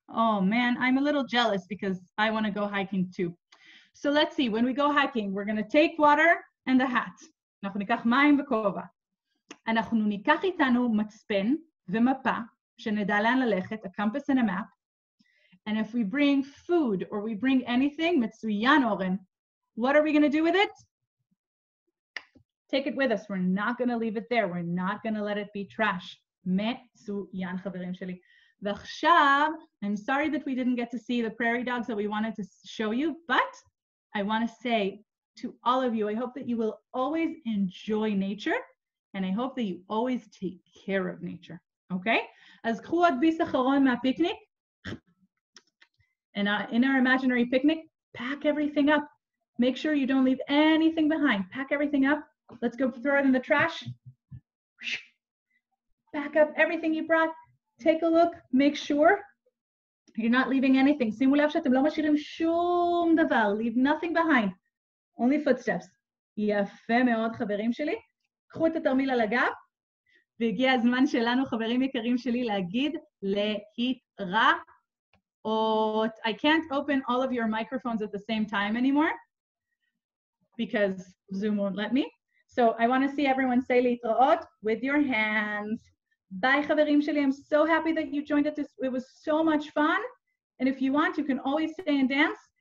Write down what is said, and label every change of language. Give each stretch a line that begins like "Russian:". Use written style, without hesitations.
English: Oh man, I'm a little jealous because I want to go hiking too. So let's see, when we go hiking, we're going to take water and a hat.
Hebrew: אנחנו ניקח מים וכובע. אנחנו ניקח איתנו מצפן ומפה, שנדע לאן ללכת,
English: a compass and a map. And if we bring food or we bring anything,
Hebrew: מצוין
English: אורן, what are we going to do with it? Take it with us. We're not going to leave it there. We're not going to let it be trash.
Hebrew: מצוין, חברים שלי. ועכשיו,
English: I'm sorry that we didn't get to see the prairie dogs that we wanted to show you, but I want to say to all of you, I hope that you will always enjoy nature, and I hope that you always take care of nature, okay?
Hebrew: אז קחו עוד ביס אחרון מהפיקניק,
English: and in our imaginary picnic, pack everything up. Make sure you don't leave anything behind. Pack everything up. Let's go throw it in the trash. Pack up everything you brought. Take a look. Make sure you're not leaving anything.
Hebrew: שימו לב שאתם לא משאירים שום דבר.
English: Leave nothing behind. Only footsteps.
Hebrew: יפה מאוד, חברים שלי. קחו את התרמיל על הגב, והגיע הזמן שלנו, חברים יקרים שלי, להגיד להתראות.
English: I can't open all of your microphones at the same time anymore, because Zoom won't let me. So I want to see everyone say להתראות with your hands. Bye,
Hebrew: חברים שלי.
English: I'm so happy that you joined us. It was so much fun. And if you want, you can always stay and dance.